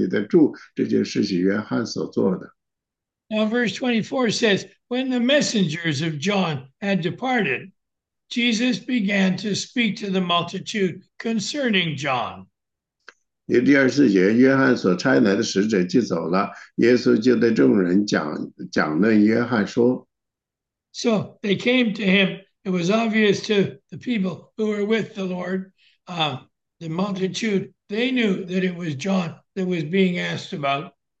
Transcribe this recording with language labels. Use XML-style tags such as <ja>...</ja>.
<zh>其实这个答案是非常简单。我们今天听到的是，我们今天准备照着去做，照着去做呢，这就是我们呢，明天呢，在风暴里站立得住，这就是使徒约翰所做的。</zh> <en>Now, verse 24 says, when the messengers of John had departed, Jesus began to speak to the multitude concerning John.</en> <zh>第24节，约翰所差来的使者就走了，耶稣就对众人讲论约翰说。</zh> <en>So they came to him. It was obvious to the people who were with the Lord, the multitude, they knew that it was John that was being asked about.</en>